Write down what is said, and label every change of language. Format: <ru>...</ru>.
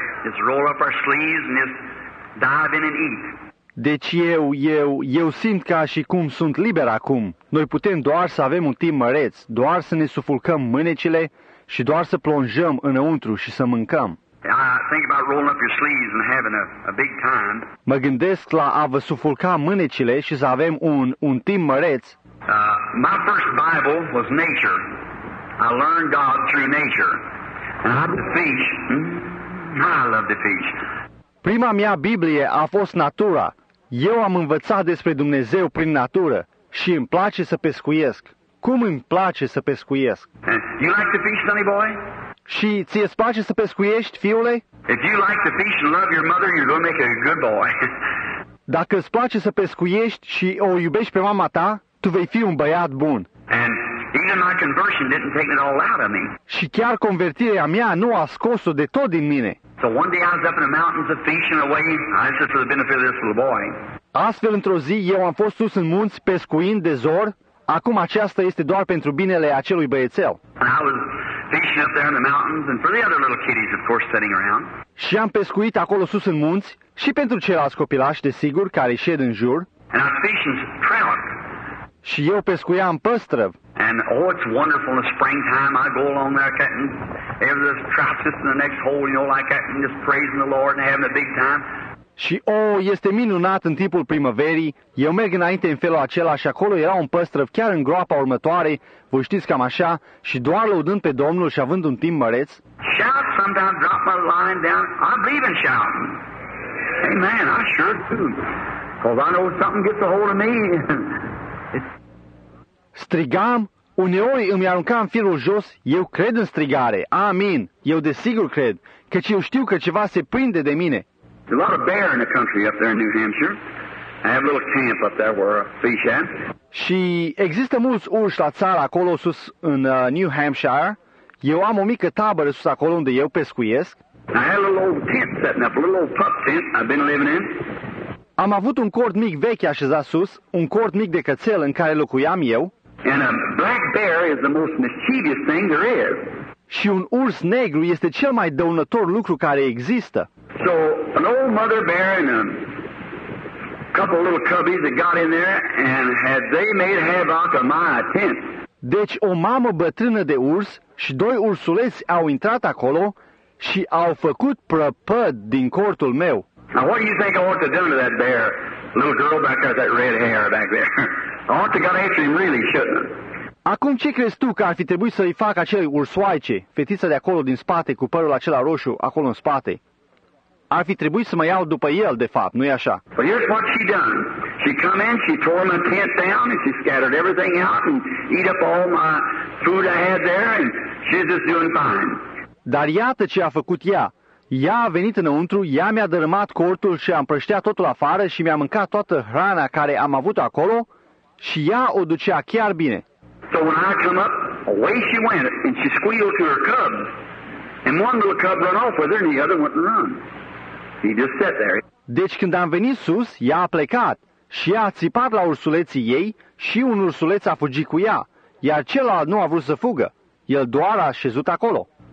<en>Just roll up our sleeves and just dive in and eat.</en> <ro>Deci eu simt ca și cum sunt liber acum. Noi putem doar să avem un timp măreț, doar să ne sufulcăm mânecile și doar să plonjăm înăuntru și să mâncăm.</ro> <en>I think about rolling up your sleeves and having a big time.</en> <ro>Mă gândesc la a vă sufulca mânecile și să avem un timp măreț.</ro> <en>My first Bible was nature. I learned God through nature. And I love the fish. I love the fish.</en> <ro>Prima mea Biblie a fost natura. Eu am învățat despre Dumnezeu prin natură și îmi place să pescuiesc. Cum îmi place să pescuiesc?</ro> <en>You like the fish, sonny boy?</en> <ro>Și ție-ți place să pescuiești, fiule?</ro> <en>If you like to fish and love your mother, you're going to make a good boy.</en> <ro>Dacă îți place să pescuiești și o iubești pe mama ta, tu vei fi un băiat bun.</ro> <en>And even my conversion didn't take it all out of me.</en> <ro>Și chiar convertirea mea nu a scos-o de tot din mine.</ro> <en>So one day I was up in the mountains of fishing away, I said for the benefit of this little boy.</en> <ro>Astfel, într-o zi, eu am fost sus în munți pescuind de zor, acum aceasta este doar pentru binele acelui băiețel.</ro> <en>Fishing up there in the mountains, and for the other little kiddies, of course, sitting around.</en> <ro>Și am pescuit acolo sus în munți, și pentru ceilalți copilași, desigur, care șed în jur.</ro> <en>And I was fishing trout.</en> <ro>Și eu pescuiam păstrăv.</ro> <en>And oh, it's wonderful in the springtime. I go along there, catching every trout just in the next hole, you know, like that, and just praising the Lord and having a big time.</en> <ro>Și oh, este minunat în timpul primăverii. Eu merg înainte în felul acela și acolo era un păstrăv chiar în groapa următoare, voi știți cam așa, și doar lăudând pe Domnul și având un timp măreț.</ro> <en>Shout sometimes, drop my line down. I believe in shouting. Hey man, I sure do. Cause I know something gets a hold of me.</en> <ro>Strigam, uneori îmi aruncam firul jos, eu cred în strigare. Amin. Eu desigur cred, căci eu știu că ceva se prinde de mine.</ro> <en>A lot of bear in the country up there in New Hampshire. I have a little camp up there where I fish at.</en> <ro>Și există mulți urși la țară acolo sus în New Hampshire. Eu am o mică tabără sus acolo unde eu pescuiesc.</ro> <en>I have a little old tent setting up, a little old pup tent I've been living in.</en> <ro>Am avut un cort mic vechi așezat sus, un cort mic de cățel în care locuiam eu.</ro> <en>And a black bear is the most mischievous thing there is.</en> <ro>Și un urs negru este cel mai dăunător lucru care există.</ro> <en>So, an old mother bear and a couple little cubbies that got in there and had they made havoc of my tent.</en> <ro>Deci o mamă bătrână de urs și doi ursuleți au intrat acolo și au făcut prăpăd din cortul meu.</ro> <en>Now, what do you think I ought to have done to that bear, little girl back there with that red hair back there? I ought to have got after him really, shouldn't I?</en> <ro>Acum ce crezi tu că ar fi trebuit să-i fac acelei ursoaice, fetița de acolo din spate cu părul acela roșu acolo în spate? Ar fi trebuit să mă iau după el, de fapt, nu-i așa?</ro> <en>But here's what she done. She come in, she tore my tent down and she scattered everything out and eat up all my food I had there and She's just doing fine.</en> <ro>Dar iată ce a făcut ea. Ea a venit înăuntru, ea mi-a dărâmat cortul și a împrăștiat totul afară și mi-a mâncat toată hrana care am avut acolo și ea o ducea chiar bine.</ro> <en>So when I come up, away she went and she squealed to her cubs. And one little cub ran off with her and the other went and run. He just sat there.</en> <ro>Deci când am venit sus, ea a plecat și ea a țipat la ursuleții ei și un ursuleț a fugit cu ea, iar celălalt nu a vrut să fugă. El doar a șezut acolo.</ro>